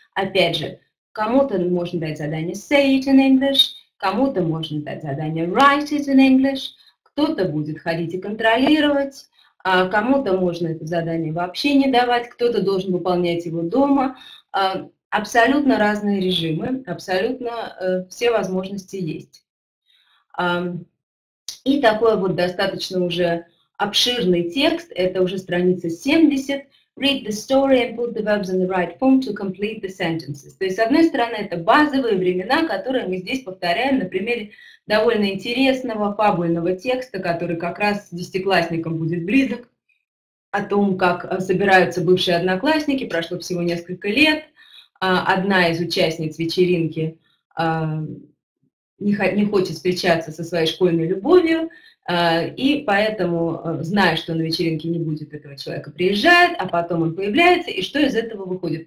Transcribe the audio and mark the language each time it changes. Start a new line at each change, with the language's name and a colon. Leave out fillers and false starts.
Russian: Опять же, кому-то можно дать задание
English: «Say it in English»,
Russian: кому-то можно дать задание
English: «Write it in English»,
Russian: кто-то будет ходить и контролировать, а кому-то можно это задание вообще не давать, кто-то должен выполнять его дома. Абсолютно разные режимы, абсолютно все возможности есть. И такой вот достаточно уже обширный текст, это уже страница 70.
English: Read the story and put the verbs in the right form to complete the sentences.
Russian: То есть, с одной стороны, это базовые времена, которые мы здесь повторяем на примере довольно интересного фабульного текста, который как раз десятиклассникам будет близок, о том, как собираются бывшие одноклассники, прошло всего несколько лет. Одна из участниц вечеринки не хочет встречаться со своей школьной любовью, и поэтому, зная, что на вечеринке не будет этого человека, приезжает, а потом он появляется, и что из этого выходит.